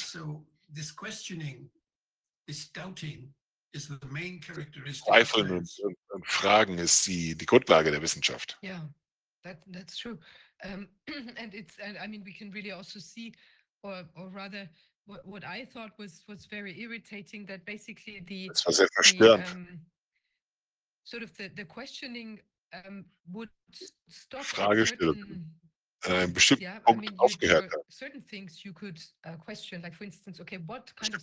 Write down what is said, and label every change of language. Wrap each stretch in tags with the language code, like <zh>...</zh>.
<en>So this questioning, this doubting is the main characteristic.</en> <de>Zweifeln und Fragen ist die Grundlage der Wissenschaft.</de> <en>Yeah, that's true. And it's, I mean, we can really also see, or rather, what I thought was very irritating, that basically the questioning would stop</en> <de>Frage stellen an einem bestimmten Punkt aufgehört hat.</de> <en>Certain things you could question, like for instance, okay, what kind of</en>